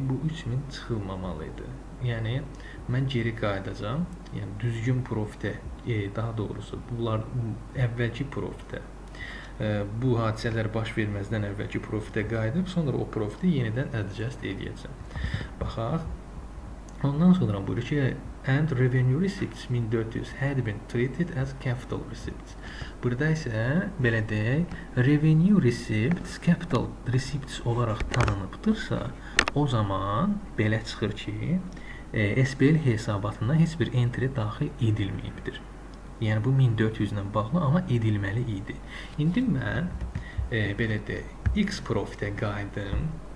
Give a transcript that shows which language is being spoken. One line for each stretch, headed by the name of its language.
Azerbaijani: Bu 3.000 çıxılmamalı idi. Yəni, mən geri qayıdacam, yəni düzgün profitə, daha doğrusu, bunlar əvvəlki profitə, bu hadisələr baş verməzdən əvvəlki profitə qayıdıb, sonra o profiti yenidən adjust edəcəm. Baxaq, ondan sonra buyurur ki,
English: and revenue receipts 1400 had been treated as capital receipts.
Azerbaijani: Burada isə belə deyək, revenue receipts capital receipts olaraq tanınıbdırsa, o zaman belə çıxır ki, SPL hesabatına heç bir entry daxil edilməyibdir. Yəni bu 1400 ilə bağlı, amma edilməli idi. İndi mən belə deyək, x profitə qayıdım.